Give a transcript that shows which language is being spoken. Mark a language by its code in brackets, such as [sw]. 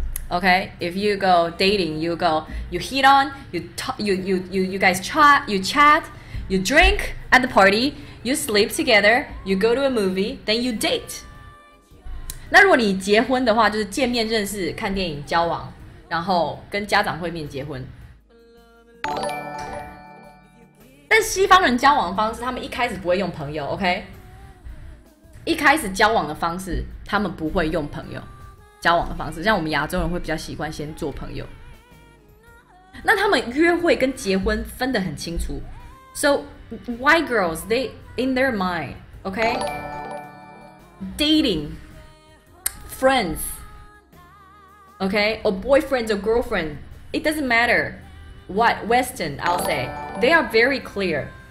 [en] Okay, if you go dating, you go, you hit on, you guys chat, you drink at the party, you sleep together, you go to a movie, then you date. [zh] 那如果你结婚的话，就是见面认识、看电影、交往，然后跟家长会面结婚。但西方人交往的方式，他们一开始不会用朋友 ，Okay? 一开始交往的方式，他们不会用朋友。交往的方式，像我们亚洲人会比较习惯先做朋友。那他们约会跟结婚分得很清楚。 [en] So white girls, they in their mind, okay? Dating, friends, okay? Or boyfriend or girlfriend, it doesn't matter. What Western, I'll say, they are very clear.